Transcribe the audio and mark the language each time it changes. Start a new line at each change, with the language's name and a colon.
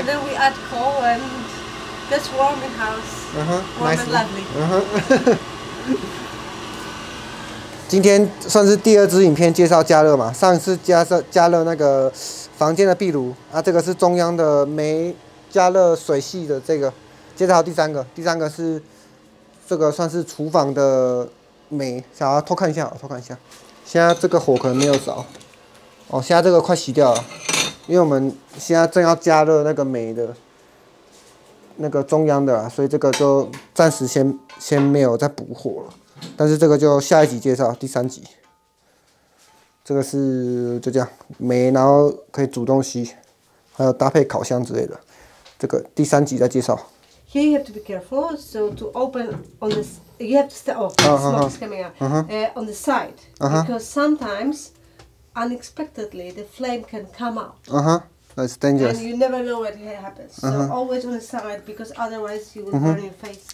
English: And then we add coal and that's warm in house. Warm nice and lovely.
Chinese: 今天算是第二支影片介绍加热嘛，上一次加热那个房间的壁炉啊，这个是中央的煤加热水系的，这个介绍第三个是这个算是厨房的煤，想要偷看一下，现在这个火可能没有着，哦，现在这个快熄掉了，因为我们现在正要加热那个煤的那个中央的啦，所以这个就暂时先没有再补火了。但是这个就下一集介绍，第三集。这个是就这样，煤然后可以煮东西，还有搭配烤箱之类的。这个第三集再介绍。
English: Here you have to be careful. So to open on this, you have to stay. Oh, smoke is coming out. On the side, because sometimes unexpectedly the flame can come out. That's dangerous. And you never know what happens. So always on the side, because otherwise you will burn your face.